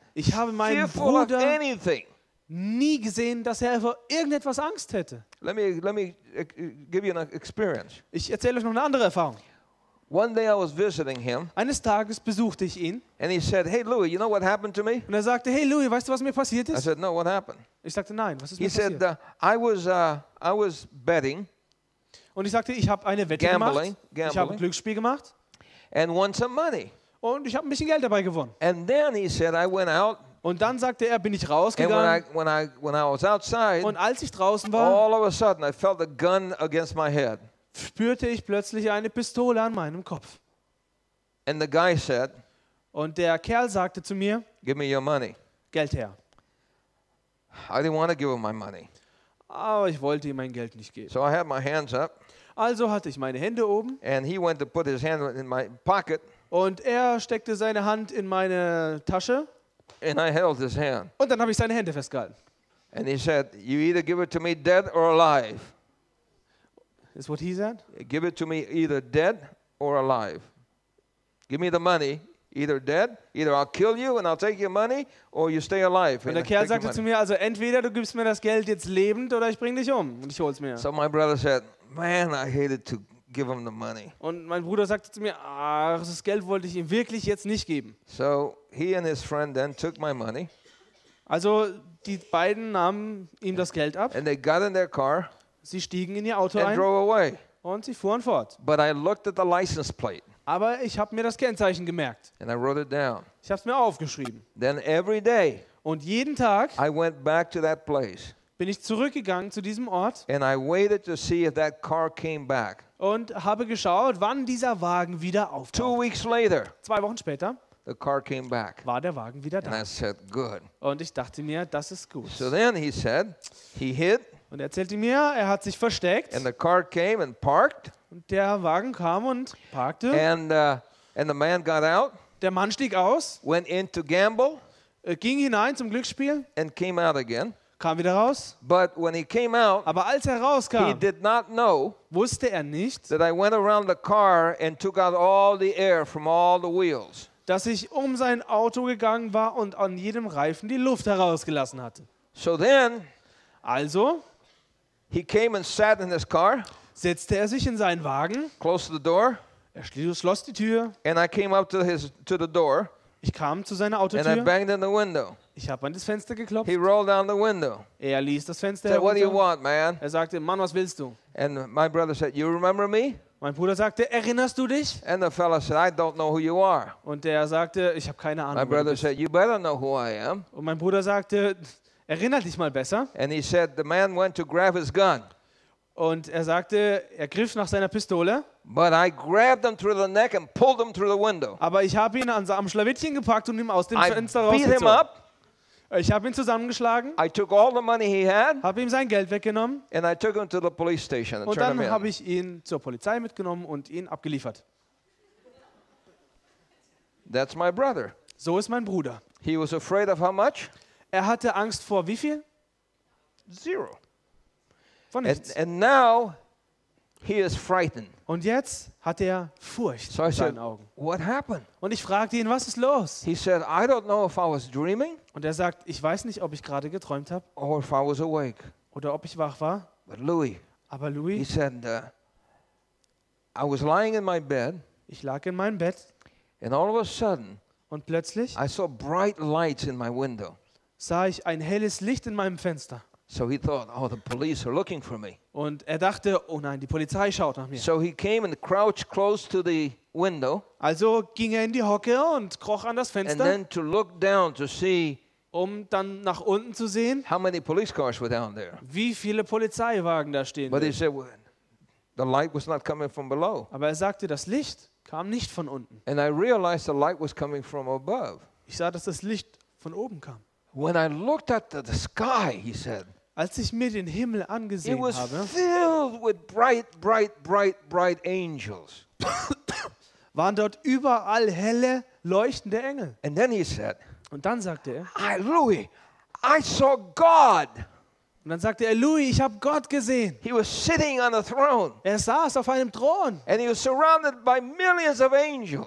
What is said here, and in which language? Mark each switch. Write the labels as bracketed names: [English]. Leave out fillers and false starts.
[German] Ich habe meinen Bruder nie gesehen, dass er vor irgendetwas Angst hätte. [English] Let me give you an experience. [German] Ich erzähle euch noch eine andere Erfahrung. [English] One day I was visiting him. [German] Eines Tages besuchte ich ihn. [English] And he said, "Hey Louis, you know what happened to me?" [German] Und er sagte, "Hey Louis, weißt du, was mir passiert ist?" [English] I said, "No, what happened?" [German] Ich sagte, "Nein, was ist [English] he [German] mir passiert?" [English] He said, "I was betting." [German] Und ich sagte, ich habe eine Wette gemacht. Ich habe ein Glücksspiel gemacht. [English] And won some money. [German] Und ich habe ein bisschen Geld dabei gewonnen. [English] And then he said, I went out. [German] Und dann sagte er, bin ich rausgegangen. [English] And when I was outside, [German] und als ich draußen war, [English] all of a sudden I felt a gun against my head. [German] Spürte ich plötzlich eine Pistole an meinem Kopf. [English] And the guy said, [German] und der Kerl sagte zu mir, [English] give me your money. [German] Geld her. [English] I didn't want to give him my money. [German] Aber ich wollte ihm mein Geld nicht geben. [English] So I had my hands up. [German] Also hatte ich meine Hände oben. [English] And he went to put his hand in my pocket. [German] Und er steckte seine Hand in meine Tasche. [English] And I held his hand. [German] Und dann habe ich seine Hände festgehalten. [English] And he said, "You either give it to me dead or alive." Is what he said? Give it to me either dead or alive. Give me the money, either dead, either I'll kill you and I'll take your money, or you stay alive. [German] Und der Kerl sagte zu mir, also entweder du gibst mir das Geld jetzt lebend oder ich bring dich um und ich hol's mir. [English] So my brother said, "Man, I hated to give him the money." [German] Und mein Bruder sagte zu mir, ach, das Geld wollte ich ihm wirklich jetzt nicht geben. [English] So he and his friend then took my money. [German] Also die beiden nahmen ihm das Geld ab. [English] And they got in their car. [German] Sie stiegen in ihr Auto ein. [English] And drove away. [German] Und sie fuhren fort. [English] But I looked at the license plate. [German] Aber ich habe mir das Kennzeichen gemerkt. [English] And I wrote it down. [German] Ich habe es mir aufgeschrieben. [English] Then every day. [German] Und jeden Tag. [English] I went back to that place. [German] Bin ich zurückgegangen zu diesem Ort. [English] And I waited to see if that car came back. [German] Und habe geschaut, wann dieser Wagen wieder auftaucht. [English] 2 weeks later. [German] 2 Wochen später. [English] The car came back. [German] War der Wagen wieder da. [English] And I said, good. [German] Und ich dachte mir, das ist gut. [English] So then he said, he hid. [German] Und er erzählte mir, er hat sich versteckt. [English] And the car came and parked. [German] Und der Wagen kam und parkte. [English] And the man got out. [German] Der Mann stieg aus. [English] Went in to gamble. [German] Ging hinein zum Glücksspiel. [English] And came out again. [German] Kam wieder raus. [English] But when he came out, [German] aber als er rauskam, [English] he did not know, [German] wusste er nicht, [English] that I went around the car and took out all the air from all the wheels. [German] Dass ich um sein Auto gegangen war und an jedem Reifen die Luft herausgelassen hatte. [English] So then, [German] also, [English] he came and sat in his car. [German] Setzte er sich in seinen Wagen. [English] Closed the door. [German] Er schloss die Tür. [English] And I came up to his to the door. [German] Ich kam zu seiner Autotür. [English] And I banged on the window. [German] Ich habe an das Fenster geklopft. [English] He rolled down the window. [German] Er ließ das Fenster herunter. [English] Said, "What do you want, man?" [German] Er sagte, "Mann, was willst du?" [English] And my brother said, "You remember me?" [German] Mein Bruder sagte, "Erinnerst du dich?" [English] And the fellow said, "I don't know who you are." [German] Und er sagte, "Ich habe keine Ahnung." [English] My brother said, "You better know who I am." [German] Und mein Bruder sagte, "Erinner dich mal besser." [English] And he said, "The man went to grab his gun." [German] Und er sagte, er griff nach seiner Pistole. [English] But I grabbed him through the neck and pulled him through the window. [German] Aber ich habe ihn am Schlawittchen gepackt und ihn aus dem Fenster rausgezogen. [English] I beat him up. [German] Ich habe ihn zusammengeschlagen. [English] I took all the money he had. [German] Habe ihm sein Geld weggenommen. [English] And I took him to the police station. [German] Und dann habe ich ihn zur Polizei mitgenommen und ihn abgeliefert. [English] That's my brother. [German] So ist mein Bruder. [English] He was afraid of how much? [German] Er hatte Angst vor wie viel? [English] Zero. [German] Von nichts. [English] And now he is frightened. [German] Und jetzt hat er Furcht so in seinen Augen. [English] What happened? [German] Und ich fragte ihn, was ist los? [English] He said, "I don't know if I was dreaming." [German] Und er sagt, ich weiß nicht, ob ich gerade geträumt habe. [English] Or if I was awake. [German] Oder ob ich wach war. [English] But Louis. [German] Aber Louis. [English] He said, "I was lying in my bed." [German] Ich lag in meinem Bett. [English] And all of a sudden. [German] Und plötzlich. [English] I saw bright lights in my window. [German] Sah ich ein helles Licht in meinem Fenster. [English] So he thought, "Oh, the police are looking for me." [German] Und er dachte, oh nein, die Polizei schaut nach mir. [English] So he came and crouched close to the window. [German] Also ging er in die Hocke und kroch an das Fenster. [English] And then to look down to see, [German] um dann nach unten zu sehen, [English] how many police cars were down there. [German] Wie viele Polizeiwagen da stehen. [English] But he said, well, the light was not coming from below. [German] Aber er sagte, das Licht kam nicht von unten. [English] And I realized the light was coming from above. [German] Ich sah, dass das Licht von oben kam. [English] When I looked at the sky, he said, [German] als ich mir den Himmel angesehen [English] it was [German] habe, [English] filled with bright angels. [German] Waren dort überall helle, leuchtende Engel. [English] And then he said, [German] und dann sagte er, [English] "Hi, Louis, I saw God." [German] Und dann sagte er, Louis, ich habe Gott gesehen. [English] He was sitting on a throne. [German] Er saß auf einem Thron. [English] And he was surrounded by millions of angels.